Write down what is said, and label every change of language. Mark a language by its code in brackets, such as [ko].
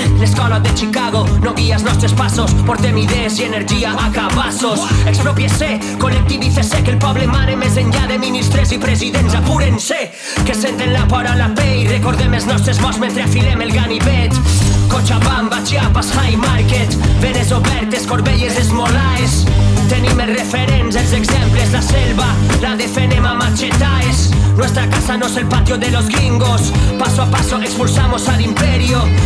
[ca] L'escola de Chicago no guia els nostres passos. Portem idees i energia a cabassos. Expropiese, col·lectivice-se, que el poble mare més enllà de ministres i presidents. Apuren-se, que senten la por a la pell. Recordem els nostres morts mentre afilem el ganivet. Cochabamba, Chiapas, High Market, venes obertes, corbelles esmolaes. Tenim els referents, els exemples, la selva, la defenem a machetaes. [es] Nuestra casa no es el patio de los gringos, paso a paso expulsamos al imperio.